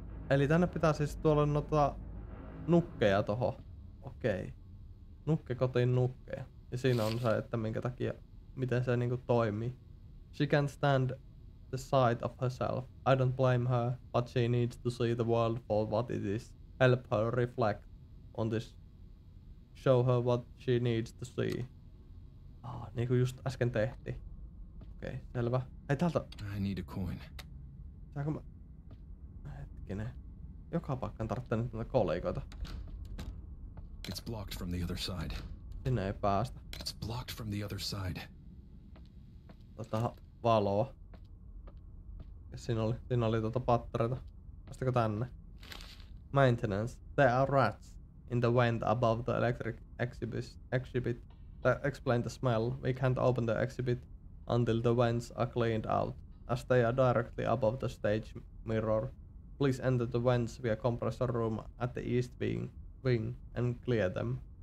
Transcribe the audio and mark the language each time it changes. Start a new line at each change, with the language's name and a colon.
Finnish: Eli tänne pitää siis tuolla noita nukkeja toho. Okei. Nukke kotiin nukkeja. Ja siinä on se, että minkä takia, miten se niinku toimii.
English: She can't stand the sight of herself. I don't blame her, but she needs to see the world for what it is. Help her reflect on this. Show her what she needs to see.
Finnish: Ah, niinku just äsken tehti. Okei, selvä. Hei, täältä.
English: I need a coin.
Finnish: Saanko mä... Hetkinen. Joka paikkaan tarvitsee nyt näitä kolikoita.
English: It's blocked from the other side.
Finnish: Sinne ei päästä.
English: It's blocked from the other side.
Finnish: Tota valoa. Siinä oli tuota pattereita. Päästäkö tänne? Maintenance.
English: There are rats in the vent above the electric exhibit. Explain the smell. We can't open the exhibit until the vents are cleaned out, as they are directly above the stage mirror. Please enter the vents via compressor room at the east wing and clear them.